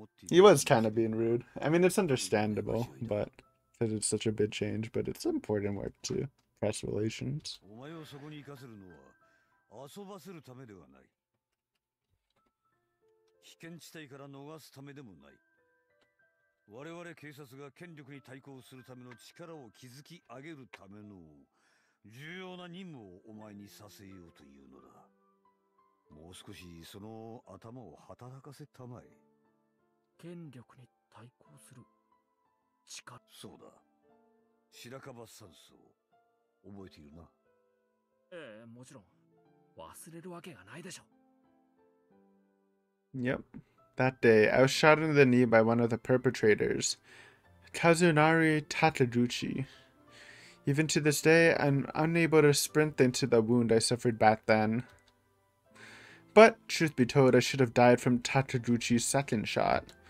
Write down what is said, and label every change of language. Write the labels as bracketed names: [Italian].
[English] He was kind of being rude. I mean, it's understandable, but because it's such a big change, but it's important work too. Press relations. [Japanese] お前をそこに行かせるのは遊ばせるためではない。危険地帯から逃すためでもない。我々警察が権力に対抗するための力を築き上げるための重要な任務をお前にさせようというのだ。もう少しその頭を働かせたまえ。権力に対抗する力。そうだ、白樺山荘覚えているな。ええ、もちろん忘れるわけがないでしょう。 [English] Yep. That day, I was shot in the knee by one of the perpetrators, Kazunari Tataguchi. Even to this day, I'm unable to sprint into the wound I suffered back then. But, truth be told, I should have died from Tataguchi's second shot.